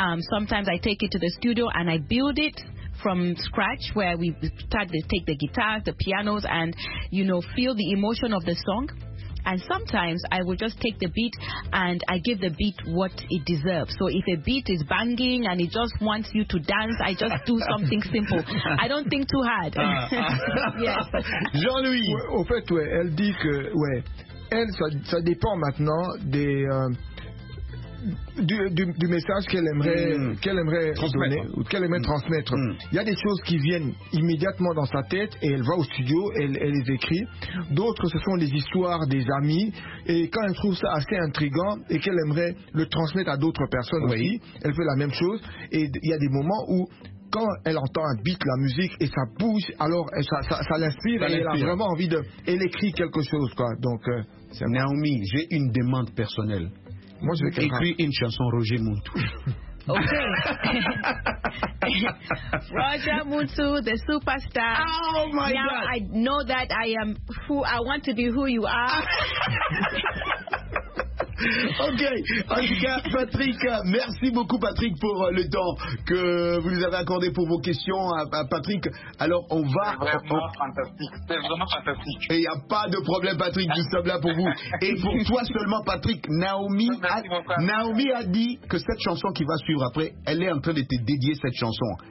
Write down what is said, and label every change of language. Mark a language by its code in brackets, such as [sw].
[en] Sometimes I take it to the studio and I build it from scratch, where we start to take the guitars, the pianos, and, you know, feel the emotion of the song. And sometimes I will just take the beat and I give the beat what it deserves. So if a beat is banging and it just wants you to dance, I just do something simple. I don't think too hard. Yes. Jean-Louis. [fr] Ouais, au fait, ouais, elle dit que, ouais, elle, ça dépend maintenant des... Du message qu'elle aimerait donner ou qu'elle aimerait transmettre. Il y a des choses qui viennent immédiatement dans sa tête et elle va au studio, elle les écrit. D'autres, ce sont des histoires des amis, et quand elle trouve ça assez intriguant et qu'elle aimerait le transmettre à d'autres personnes, oui, aussi, elle fait la même chose. Et il y a des moments où quand elle entend un beat, la musique, et ça bouge, alors ça l'inspire, et elle a vraiment envie de... Elle écrit quelque chose, quoi. Donc, c'est Naomi, bon. J'ai une demande personnelle. Moi, je vais écrire une chanson Roger Muntou. Ok. [en] Roger Muntou, the superstar. Oh my now God. Now I know that I am who I want to be who you are. [fr] Ok, en tout cas, Patrick, merci beaucoup Patrick pour le temps que vous nous avez accordé pour vos questions à Patrick. Alors on va... C'est vraiment fantastique. Et il n'y a pas de problème Patrick, nous sommes là pour vous. Et pour toi seulement Patrick, Naomi a dit que cette chanson qui va suivre après, elle est en train de te dédier cette chanson.